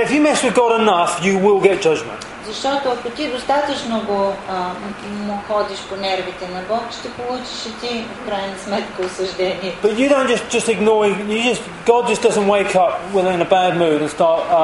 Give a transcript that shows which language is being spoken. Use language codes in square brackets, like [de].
[en] if you mess with God enough, you will get judgment. [bg] Защото ако ти достатъчно го му ходиш по нервите на Бог, ще получиш и ти в крайна сметка осъждение. [en] But you don't just ignore. God just doesn't wake up when in a bad mood and start.